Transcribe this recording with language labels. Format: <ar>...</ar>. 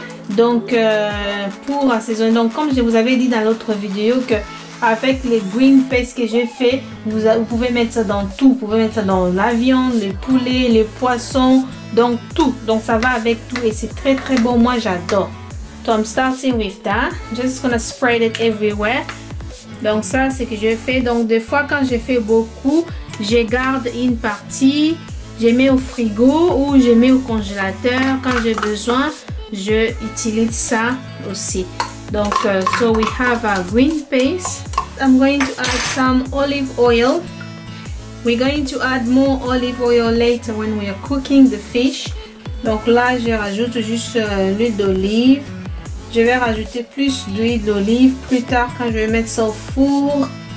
<fr>donc pour assaisonner. Donc comme je vous avais dit dans l'autre vidéo que avec les green paste que j'ai fait, vous pouvez mettre ça dans tout, vous pouvez mettre ça dans la viande, les poulets, les poissons, donc tout, donc ça va avec tout et c'est très très bon, moi j'adore.</fr> <en>So I'm starting with that, just gonna spread it everywhere.</en> <fr>Donc ça c'est que j'ai fait, donc des fois quand j'ai fait beaucoup, je garde une partie, je mets au frigo ou je mets au congélateur, quand j'ai besoin, je utilise ça aussi. Donc,</fr> <en>so we have a green paste. I'm going to add some olive oil. We're going to add more olive oil later when we are cooking the fish.</en> <fr>Donc là, je rajoute juste l'huile d'olive. Je vais rajouter plus d'huile d'olive plus tard quand je vais mettre ça au four.</fr>